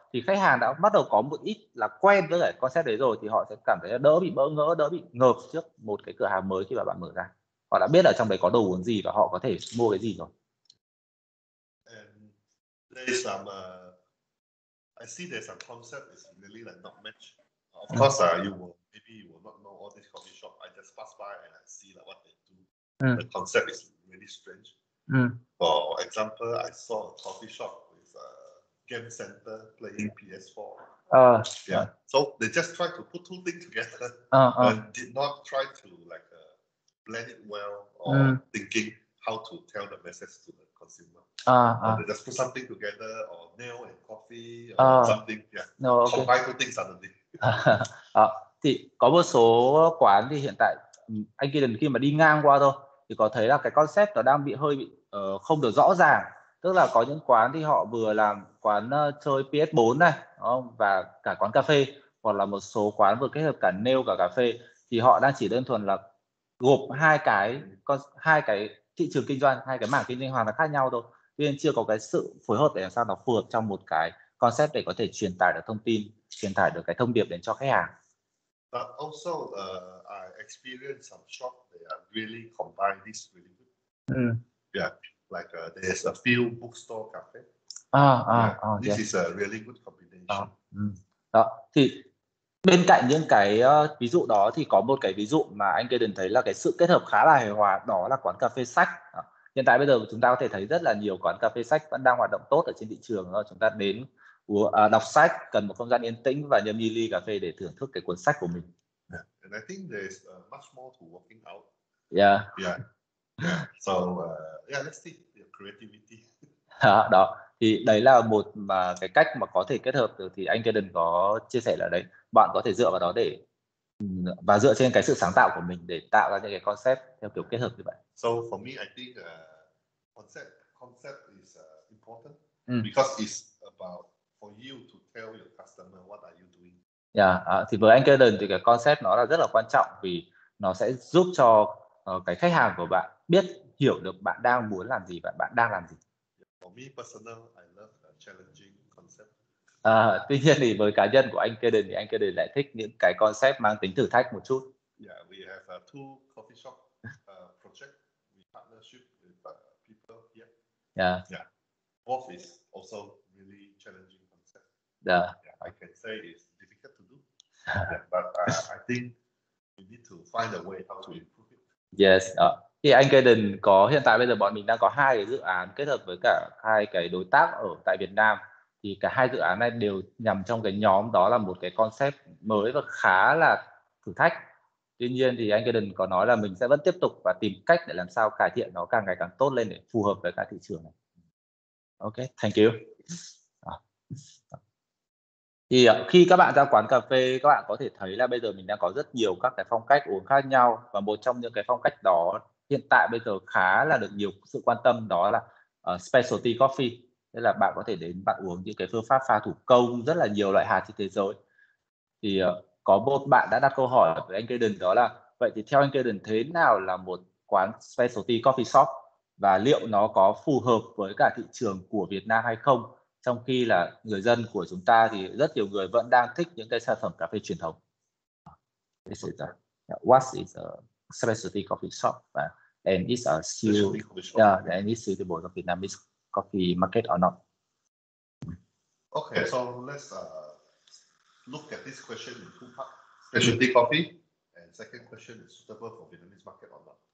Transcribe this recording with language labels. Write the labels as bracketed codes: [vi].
[vi] Thì khách hàng đã bắt đầu có một ít là quen với cái concept đấy rồi, thì họ sẽ cảm thấy đỡ bị bỡ ngỡ, đỡ bị ngợp trước một cái cửa hàng mới khi mà bạn mở ra. Họ đã biết ở trong đấy có đồ uống gì và họ có thể mua cái gì rồi. [en] And there is some, I see there's some concept is really like not match. Of course, you will not know all these coffee shop. I just pass by and I see like what they do. The concept is really strange. For example, I saw a coffee shop. Game center playing PS4. So they just try to put two things together and did not try to like blend it well or thinking how to tell the message to the consumer. They just put something together or nail and coffee or something. Yeah. No, okay. Combine two things suddenly. [vi] thì có một số quán thì hiện tại anh Kaden khi mà đi ngang qua thôi thì có thấy là cái concept nó đang bị hơi bị không được rõ ràng. Tức là có những quán thì họ vừa làm quán chơi PS4 này, đúng không? Và cả quán cà phê, hoặc là một số quán vừa kết hợp cả nail cả cà phê, thì họ đang chỉ đơn thuần là gộp hai cái thị trường kinh doanh, hai cái mảng kinh doanh hoàn toàn khác nhau thôi. Tuy nhiên chưa có cái sự phối hợp để làm sao nó phù hợp trong một cái concept để có thể truyền tải được thông tin, truyền tải được cái thông điệp đến cho khách hàng. [en] But also I experienced some shop they are really combine this really good. Yeah, like there's a few bookstore cafe. This is a really good combination. [vi] Đó, thì bên cạnh những cái ví dụ đó thì có một cái ví dụ mà anh Kaden thấy là cái sự kết hợp khá là hài hòa, đó là quán cà phê sách. Hiện tại bây giờ chúng ta có thể thấy rất là nhiều quán cà phê sách vẫn đang hoạt động tốt ở trên thị trường. Chúng ta đến đọc sách, cần một không gian yên tĩnh và nhâm nhi ly cà phê để thưởng thức cái cuốn sách của mình. [en] And I think there's much more to working out. So let's see your creativity. [vi] Đó, thì đấy là một mà cái cách mà có thể kết hợp được, thì anh Kaden có chia sẻ là đấy, bạn có thể dựa vào đó để và dựa trên cái sự sáng tạo của mình để tạo ra những cái concept theo kiểu kết hợp như vậy. [en] So for me, I think concept is important because it's about for you to tell your customer what are you doing. [vi] Thì với anh Kaden thì cái concept nó là rất là quan trọng vì nó sẽ giúp cho cái khách hàng của bạn biết hiểu được bạn đang muốn làm gì và bạn đang làm gì. [en] For me personal, I love the challenging concept. [vi] Tuy nhiên thì với cá nhân của anh Kaden thì anh Kaden lại thích những cái concept mang tính thử thách một chút. [en] Yeah, we have two coffee shop project we partnership with people here. Both is also really challenging concept. I can say it's difficult to do. But I think we need to find a way how to improve it. [vi] Thì anh Kaden có hiện tại bây giờ bọn mình đang có hai cái dự án kết hợp với cả hai cái đối tác ở tại Việt Nam. Thì cả hai dự án này đều nằm trong cái nhóm đó là một cái concept mới và khá là thử thách. Tuy nhiên thì anh Kaden có nói là mình sẽ vẫn tiếp tục và tìm cách để làm sao cải thiện nó càng ngày càng tốt lên để phù hợp với cả thị trường này. [en] Ok, thank you. [vi] Thì khi các bạn ra quán cà phê, các bạn có thể thấy là bây giờ mình đang có rất nhiều các cái phong cách uống khác nhau. Và một trong những cái phong cách đó hiện tại bây giờ khá là được nhiều sự quan tâm, đó là specialty coffee. Tức là bạn có thể đến bạn uống những cái phương pháp pha thủ công rất là nhiều loại hạt trên thế giới. Thì có một bạn đã đặt câu hỏi với anh Kaden, đó là vậy thì theo anh Kaden thế nào là một quán specialty coffee shop và liệu nó có phù hợp với cả thị trường của Việt Nam hay không, trong khi là người dân của chúng ta thì rất nhiều người vẫn đang thích những cái sản phẩm cà phê truyền thống. [en] What is a specialty coffee shop and is a suitable for Vietnamese coffee market or not? Okay, so let's look at this question in two parts. Specialty coffee, and second question is suitable for Vietnamese market or not.